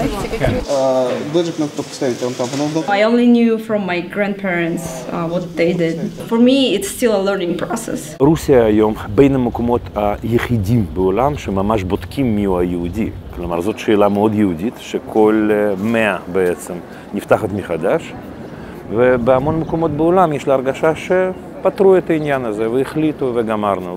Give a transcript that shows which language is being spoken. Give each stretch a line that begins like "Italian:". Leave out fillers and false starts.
Russian: Здесь наша программа, вы знаете, как... Бэджик надо поставить, он там.
English: I only knew from my grandparents what they did. For me, it's still a learning process.
Hebrew: Русия היום בין המקומות היחידים בעולם שממש בודקים מי הוא היהודי. כלומר, זאת שאלה מאוד יהודית, שכל מאה בעצם נפתחת מחדש. ובהמון מקומות בעולם יש לה הרגשה שפתרו את העניין הזה והחליטו וגמרנו.